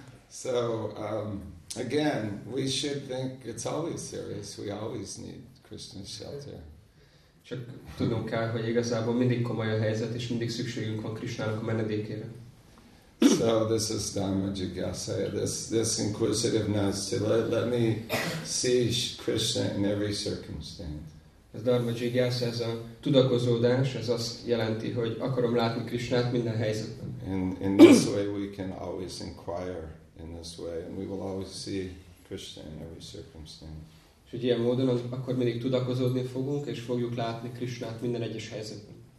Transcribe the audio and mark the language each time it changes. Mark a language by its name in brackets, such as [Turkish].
[English] So again, we should think it's always serious. We always need Krishna's shelter. [Hungarian] Csak tudnunk kell, hogy igazából mindig komoly a helyzet, és mindig szükségünk van Krishnának a menedékére. [English] So this is Dhamma Jigyasa, this inquisitiveness to let me see Krishna in every circumstance. [Hungarian] Ez Dharma Jigyasa, ez a tudakozódás, ez azt jelenti, hogy akarom látni Krishnát minden helyzetben. [English] In this way we can always inquire in this way, and we will always see Krishna in every circumstance. [Hungarian] És hogy ilyen módon akkor mindig tudakozódni fogunk, és fogjuk látni Krishnát minden egyes helyzetben.